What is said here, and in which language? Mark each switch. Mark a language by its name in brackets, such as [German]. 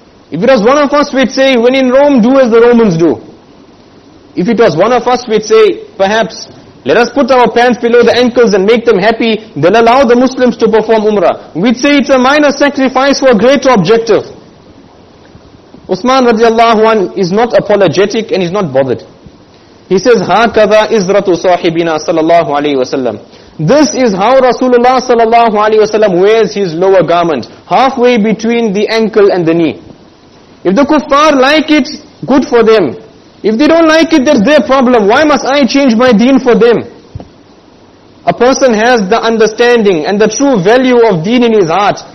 [English] If it was one of us, we'd say, when in Rome, do as the Romans do. If it was one of us, we'd say, perhaps, let us put our pants below the ankles and make them happy, then allow the Muslims to perform Umrah. We'd say it's a minor sacrifice for a greater objective. Uthman radiallahu anhu is not apologetic and is not bothered. He says, [Arabic] هَكَذَا إِزْرَةُ صَاحِبِنَا صَلَى اللَّهُ عَلَيْهِ وَسَلَّمُ. [English] This is how Rasulullah sallallahu alayhi wasallam wears his lower garment, halfway between the ankle and the knee. If the kuffar like it, good for them. If they don't like it, that's their problem. Why must I change my deen for them? A person has the understanding and the true value of deen in his heart.